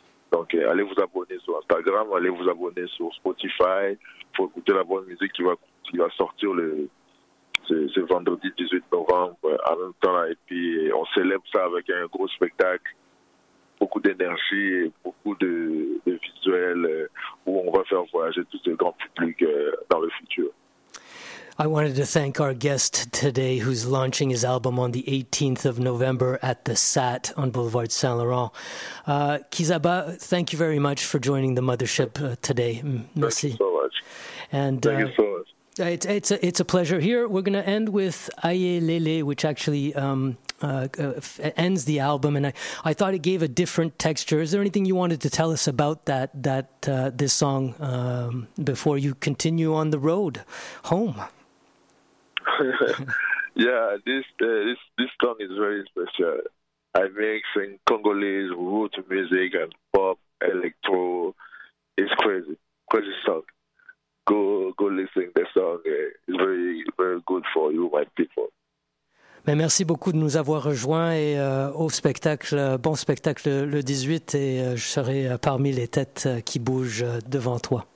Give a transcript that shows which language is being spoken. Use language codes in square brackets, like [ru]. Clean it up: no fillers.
[fr] Donc allez vous abonner sur Instagram, allez vous abonner sur Spotify pour écouter la bonne musique qui va sortir ce vendredi 18 novembre. En même temps, et puis on célèbre ça avec un gros spectacle. Beaucoup d'énergie et beaucoup de visuels où on va faire voyager tout ce grand public dans le futur. [en] I wanted to thank our guest today who's launching his album on the 18th of November at the SAT on Boulevard Saint-Laurent. Kizaba, thank you very much for joining the Mothership today. [fr] Merci. [en] Thank you so much. And, thank you so much. It's a pleasure. Here, we're going to end with Aye Lele, which actually ends the album. And I thought it gave a different texture. Is there anything you wanted to tell us about this song before you continue on the road home? Yeah, this song is very special. I mix in Congolese root music and pop, electro. It's crazy song. Go listen to the song. It's very, very good for you, my people. [fr] Mais merci beaucoup de nous avoir rejoints et au spectacle, bon spectacle le 18, et je serai parmi les têtes qui bougent devant toi.